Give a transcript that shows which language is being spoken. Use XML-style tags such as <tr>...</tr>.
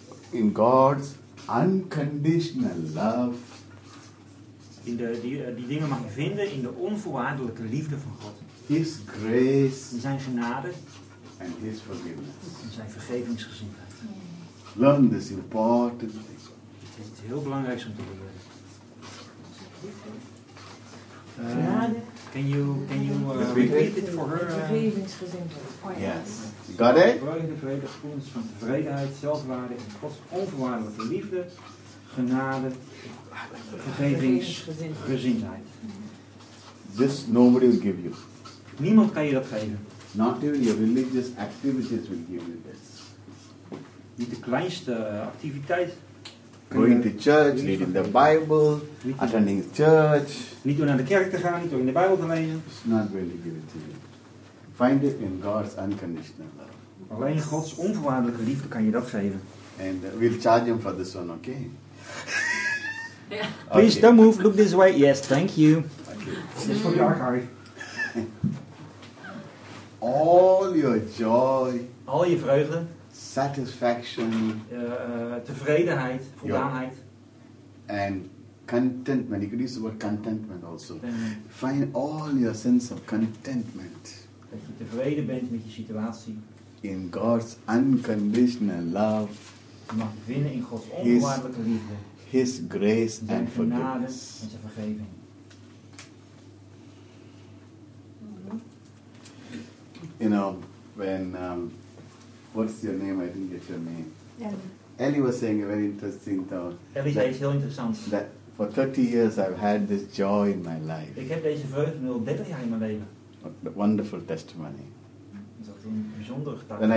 <en>In God's unconditional love.</en> <nl>In die dingen mag je vinden in de onvoorwaardelijke liefde van God.</nl> <en>His grace.</en> <nl>In zijn genade.</nl> <en>And his forgiveness.</en> <nl>In zijn vergevingsgezindheid.</nl> <en>Learn this important thing.</en> <nl>Het is heel belangrijk om te leren. Genade.</nl> <en>Can you repeat it for her?</en> <nl>Vergevingsgezindheid.</nl> <en>Yes. Got it?</en> <nl>Vreugde, vrede, gevoelens van tevredenheid, zelfwaarde en Gods onvoorwaardelijke liefde, genade, vergevingsgezindheid.</nl> <en>This nobody will give you.</en> <nl>Niemand kan je dat geven.</nl> <en>Not even your religious activities will give you this.</en> <nl>Niet de kleinste activiteit.</nl> <en>Going to church, reading the Bible, attending church.</en> <nl>Niet door naar de kerk te gaan, niet door in de Bijbel te lezen.</nl> <en>It's not really given to you. Find it in God's unconditional love.</en> <nl>Alleen Gods onvoorwaardelijke liefde kan je dat geven.</nl> <en>And we'll charge him for this one, okay? Yeah. Please, okay. Don't move. Look this way. Yes, thank you. Okay. This is for you, Harry. All your joy.</en> <nl>Al je vreugde.</nl> <en>Satisfaction.</en> <nl>Tevredenheid. Voldaanheid.</nl> <en>And contentment. You could use the word contentment also. Find all your sense of contentment.</en> <nl>Dat je tevreden bent met je situatie.</nl> <en>in God's unconditional love.</en> <nl>Mag winnen in God's onvoorwaardelijke liefde.</nl> <en>His grace and forgiveness.</en> <nl>Zijn genade en zijn vergeving.</nl> <en>You know, when, what's your name? I didn't get your name. Ellie was saying a very interesting thought.</en> <nl>Ellie zei iets heel interessants.</nl> <en>That for 30 years I've had this joy in my life.</en> <nl>Ik heb deze vreugde nu al 30 jaar in mijn leven.</nl> <en>What a wonderful testimony.</en> <nl>Is dat een bijzonder getuigenis?</nl>